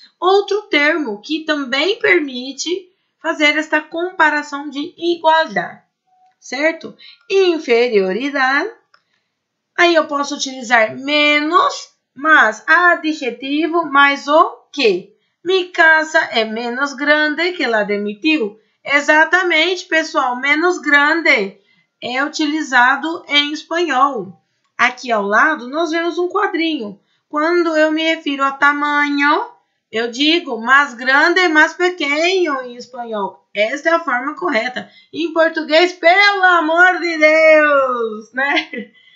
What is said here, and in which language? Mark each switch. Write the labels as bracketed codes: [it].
[pt] Outro termo que também permite fazer esta comparação de igualdade, certo? Inferioridade. Aí eu posso utilizar menos, mas adjetivo mais o que? [es] Mi casa é menos grande que la de mi tio. [pt] Exatamente, pessoal, menos grande é utilizado em espanhol. Aqui ao lado, nós vemos um quadrinho. Quando eu me refiro a tamanho, eu digo mais grande, mais pequeno em espanhol. Esta é a forma correta. Em português, pelo amor de Deus, né?